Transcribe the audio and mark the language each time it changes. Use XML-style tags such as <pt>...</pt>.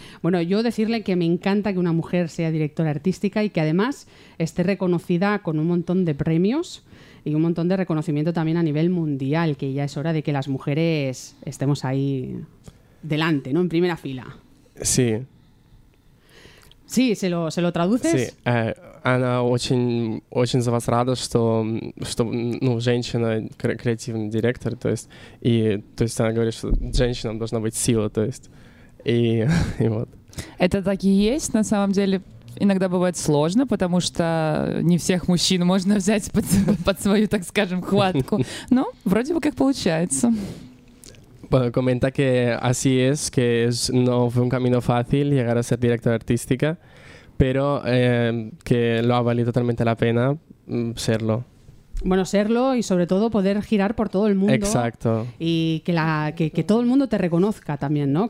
<es>Bueno, yo decirle que me encanta que una mujer sea directora artística y que además esté reconocida con un montón de premios y un montón de reconocimiento también a nivel mundial, que ya es hora de que las mujeres estemos ahí delante, ¿no? En primera fila. Sí. Sí, ¿se lo traduces? Sí.</es> <ru>Она очень, очень за вас рада, что ну, женщина креативный директор, то есть, и, то есть она говорит, что женщинам должна быть сила, то есть, и вот. Это так и есть, на самом деле, иногда бывает сложно, потому что не всех мужчин можно взять под свою, так скажем, хватку. Но вроде бы как получается.</ru> <es>Bueno, comenta que así es, que es, no fue un camino fácil llegar a ser directora artística, pero que lo ha valido totalmente la pena serlo. Bueno, serlo y sobre todo poder girar por todo el mundo. Exacto. Y que todo el mundo te reconozca también, ¿no?</es>